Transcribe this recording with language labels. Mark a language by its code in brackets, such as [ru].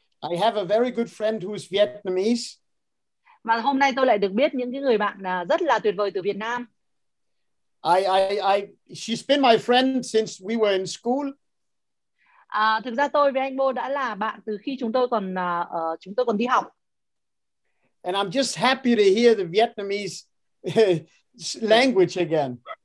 [en] I have a very good friend who is Vietnamese. [vi] Và hôm nay tôi lại được biết những cái người bạn rất là tuyệt vời từ Việt Nam. [en] I she's been my friend since we were in school. [vi] Thực ra tôi với anh Bo đã là bạn từ khi chúng tôi còn đi học. [en] And I'm just happy to hear the Vietnamese language again.